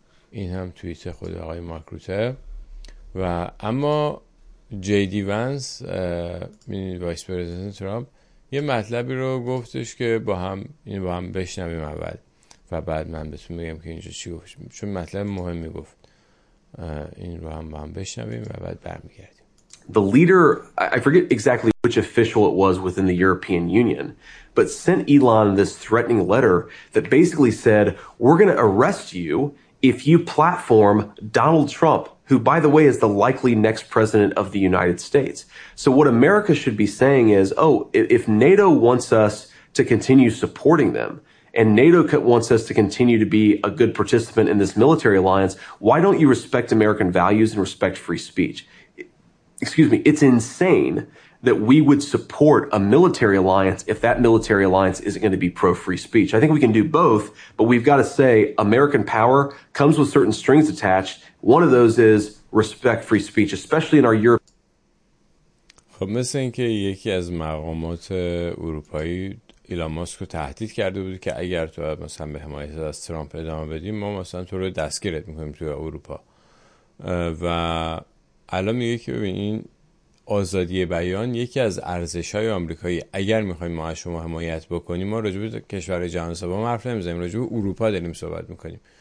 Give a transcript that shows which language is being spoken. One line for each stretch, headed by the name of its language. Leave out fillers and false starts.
Persian: این هم توییت خود آقای مارک روته. و اما جی دی ونس، وایس پرزیدنت ترامپ، یه مطلبی رو گفتش که با هم بشنویم اول و بعد من بهتون میگم که اینجا چی گفت، چون مطلب مهمی گفت. این رو هم با هم بشنویم و بعد برمیگردیم.
English: The leader, I forget exactly which official it was within the European Union, but sent Elon this threatening letter that basically said, "We're going to arrest you if you platform Donald Trump who, by the way, is the likely next president of the United States. So what America should be saying is, oh, if NATO wants us to continue supporting them, and NATO wants us to continue to be a good participant in this military alliance, why don't you respect American values and respect free speech? Excuse me, it's insane that we would support a military alliance if that military alliance isn't going to be pro-free speech. I think we can do both, but we've got to say American power comes with certain strings attached. One of those is respect free speech, especially in our Europe.
Persian: خب مثل اینکه یکی از مقامات اروپایی ایلان ماسک رو تهدید کرده بود که اگر تو مثلا به حمایت از ترامپ ادامه بدیم ما مثلا تو رو دستگیرت میکنیم توی اروپا. و الان میگه که ببین این آزادی بیان یکی از ارزش‌های آمریکایی، اگر می‌خوایم ما از شما حمایت بکنیم ما راجع به کشور جهان سوم حرف نمی‌زنیم، راجع به اروپا داریم صحبت می‌کنیم.